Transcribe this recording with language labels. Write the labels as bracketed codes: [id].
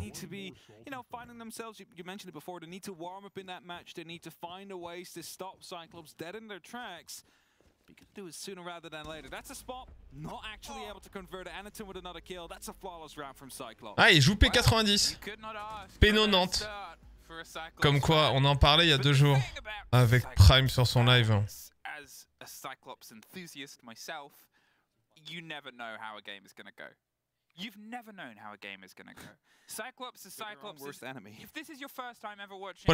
[en] You know, finding themselves, you mentioned it before, they need to warm up in that match, they need to find a way to stop Cyclops dead in their tracks. We could do it sooner rather than later. That's a spot, not actually able to convert it. Anaton with another kill, that's a flawless round from Cyclops. [fr] Ah, il joue P90. P90. Comme quoi, on en parlait il y a deux jours avec Prime sur son live. [en] As a Cyclops enthusiast myself, you never know how a game is going to go. You've never known how a game is going to go. Cyclops is Cyclops' worst enemy. If this is your first time ever watching.